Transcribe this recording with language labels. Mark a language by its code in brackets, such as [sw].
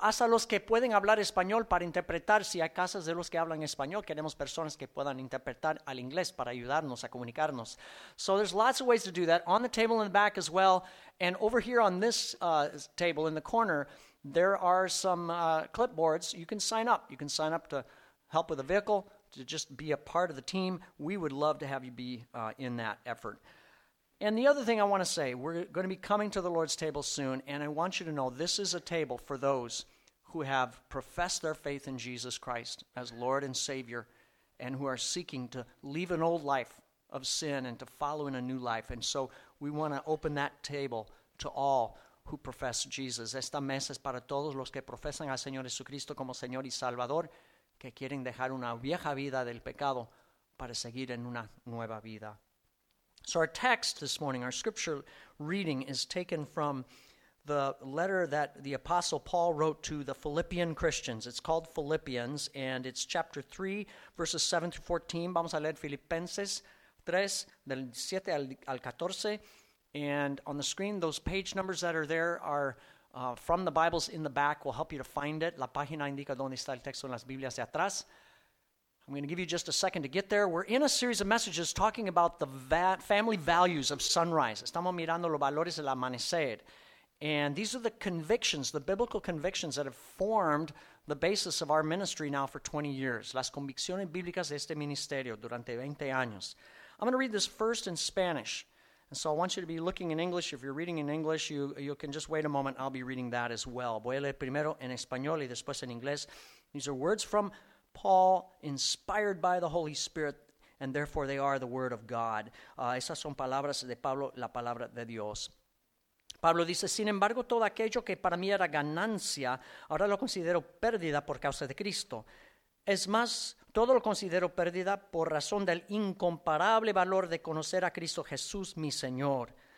[es] Hasta los que pueden hablar español para interpretar. Si hay casas de los que hablan español, queremos personas que puedan interpretar al inglés para ayudarnos a comunicarnos. [en] So there's lots of ways to do that. On the table in the back as well. And over here on this table in the corner, there are some clipboards. You can sign up. You can sign up to help with a vehicle, to just be a part of the team. We would love to have you be in that effort. And the other thing I want to say, we're going to be coming to the Lord's table soon, and I want you to know this is a table for those who have professed their faith in Jesus Christ as Lord and Savior and who are seeking to leave an old life of sin and to follow in a new life. And so we want to open that table to all who profess Jesus. [es] Esta mesa es para todos los que profesan al Señor Jesucristo como Señor y Salvador, que quieren dejar una vieja vida del pecado para seguir en una nueva vida. [en] So our text this morning, our scripture reading, is taken from the letter that the Apostle Paul wrote to the Philippian Christians. It's called Philippians, and it's chapter 3, verses 7 through 14. [es] Vamos a leer Filipenses 3, del 7 al 14. [en] And on the screen, those page numbers that are there are from the Bibles in the back. We'll help you to find it. [es] La página indica dónde está el texto en las Biblias de atrás. [en] I'm going to give you just a second to get there. We're in a series of messages talking about the family values of sunrise. [es] Estamos mirando los valores del amanecer. [en] And these are the convictions, the biblical convictions that have formed the basis of our ministry now for 20 years. [es] Las convicciones bíblicas de este ministerio durante 20 años. [en] I'm going to read this first in Spanish. So I want you to be looking in English. If you're reading in English, you can just wait a moment. I'll be reading that as well. [es] Voy a leer primero en español y después en inglés. [en] These are words from Paul, inspired by the Holy Spirit, and therefore they are the word of God. [es] Esas son palabras de Pablo, la palabra de Dios. Pablo dice, sin embargo, todo aquello que para mí era ganancia, ahora lo considero pérdida por causa de Cristo. Es más, todo lo considero pérdida por razón del incomparable valor de conocer a Cristo Jesús, mi Señor.